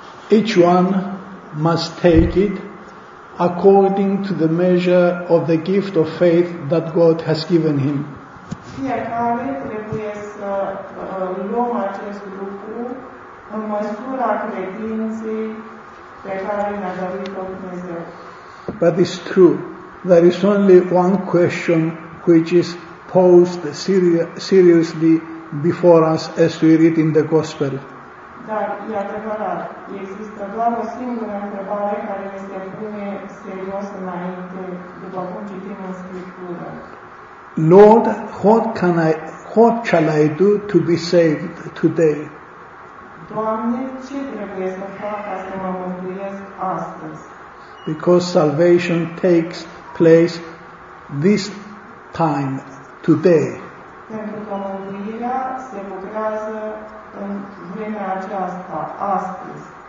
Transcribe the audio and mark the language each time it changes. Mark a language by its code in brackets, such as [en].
[en] Each one must take it according to the measure of the gift of faith that God has given him. [ro] Fiecare trebuie să luăm acest lucru în măsura credinței pe care ne-a dăruit-o Dumnezeu. [en] But it's true. There is only one question which is posed seriously before us as we read in the Gospel. [ro] Dar e adevărat, există doar o singură întrebare care ne se pune serios înainte, după cum citim în Scriptură. [en] Lord, what shall I do to be saved today? [ro] Doamne, ce trebuie să fac ca să mă mântuiesc astăzi? [en] Because salvation takes place this time, today. [ro] Pentru că mântuirea se lucrează în vremea aceasta, astăzi.